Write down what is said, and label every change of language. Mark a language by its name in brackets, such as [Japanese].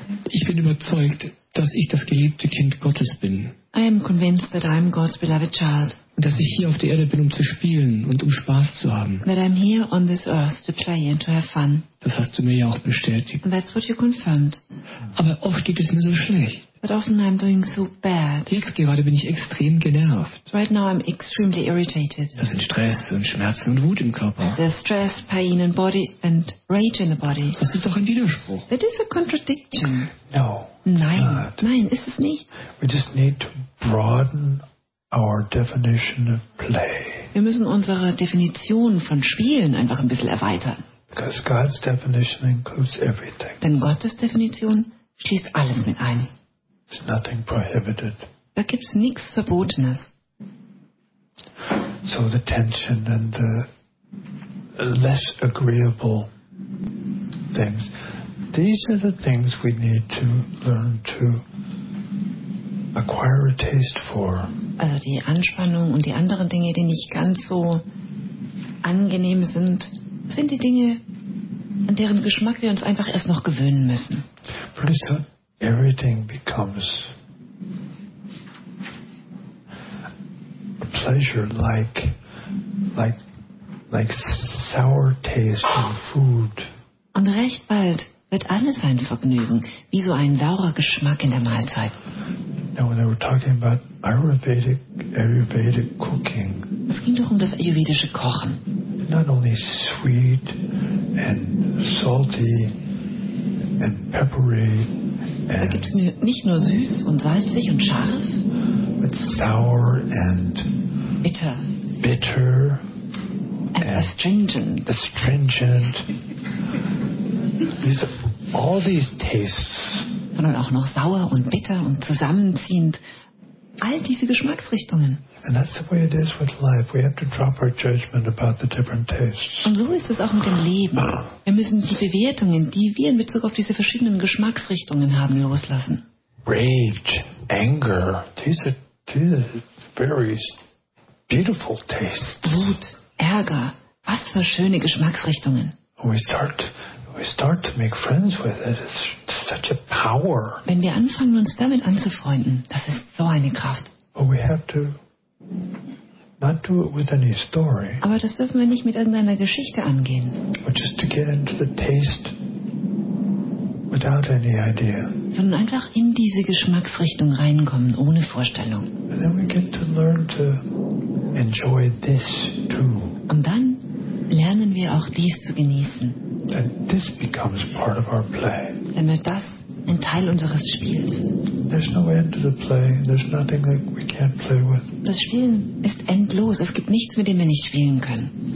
[German] Ich bin überzeugt, dass ich das geliebte Kind Gottes bin. [English] I am convinced that I am God's beloved child. [German] Und dass ich hier auf der Erde bin, um zu spielen und um Spaß zu haben. [English] That I'm here on this earth to play and to have fun. [German] Das hast du mir ja auch bestätigt. [English] And that's what you confirmed. [German] Aber oft geht es mir so schlecht. [English] But often I'm doing so bad. [German] Jetzt gerade bin ich extrem genervt. [English] Right now I'm extremely irritated. [German] Das sind Stress und Schmerzen und Wut im Körper. [English] There's stress, pain and body and rage in the body. [German] Das ist doch ein Widerspruch. [English] That is a contradiction. No. [German] Nein. [English] Not. [German] Nein, ist es nicht. [English] We just need to broaden our definition of play. [German] Wir müssen unsere Definition von Spielen einfach ein bisschen erweitern. [English] Because God's definition includes everything. [German] Denn Gottes Definition schließt alles mit ein. [English] There's nothing prohibited. [German] Da gibt's nichts Verbotenes. [English] So the tension and the less agreeable things. These are the things we need to learn to acquire a taste for. [German] Also die Anspannung und die anderen Dinge, die nicht ganz so angenehm sind, sind die Dinge, an deren Geschmack wir uns einfach erst noch gewöhnen müssen. [English] Pretty soon everything becomes a pleasure like sour taste in food. [German] Und recht bald wird alles ein Vergnügen, wie so ein saurer Geschmack in der Mahlzeit. [English] Now when they were talking about Ayurvedic cooking. [German] Es ging doch um das ayurvedische Kochen. [English] Not only sweet and salty and peppery. [German] Da gibt's nicht nur süß und salzig und scharf. [English] But sour and bitter. And astringent. All these tastes. [German] Sondern auch noch sauer und bitter und zusammenziehend. All diese Geschmacksrichtungen. [English] And that's the way it is with life. We have to drop our judgment about the different tastes. [German] Und so ist es auch mit dem Leben. Wir müssen die Bewertungen, die wir in Bezug auf diese verschiedenen Geschmacksrichtungen haben, loslassen. [English] Rage, anger, these are very beautiful tastes. [German] Wut, Ärger, was für schöne Geschmacksrichtungen. [English] We start to make friends with it. It's such a power. [German] Wenn wir anfangen, uns damit anzufreunden, das ist so eine Kraft. [English] But we have to not do it with any story. [German] Aber das dürfen wir nicht mit irgendeiner Geschichte angehen. [English] But just to get into the taste without any idea. [German] Sondern einfach in diese Geschmacksrichtung reinkommen, ohne Vorstellung. [English] And then we get to learn to enjoy this too. [German] Und dann lernen wir auch dies zu genießen. [English] And this becomes part of our play. [German] Wenn wir das ein Teil unseres Spiels. [English] There's no end to the play. There's nothing that we can't play with. [German] Das Spielen ist endlos. Es gibt nichts, mit dem wir nicht spielen können.